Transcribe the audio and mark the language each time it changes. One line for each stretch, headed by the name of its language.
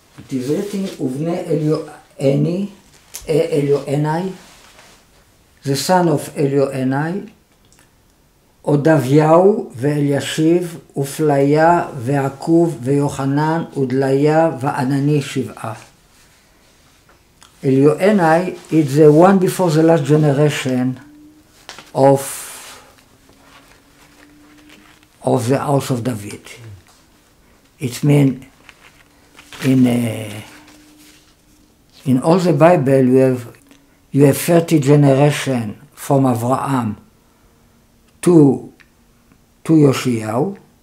English: it is written Uvne Elio Eni, E Elio Enai, the son of Elio Enai,
Hebrew: עודוויהו ואלישיב ופליה ועקוב ויוחנן ודליה וענני שבעה.
English: אליואנאי, it's the one before the last generation of the house of David. It means in all the Bible you have 30 generation from Abraham to Yoshiyahu.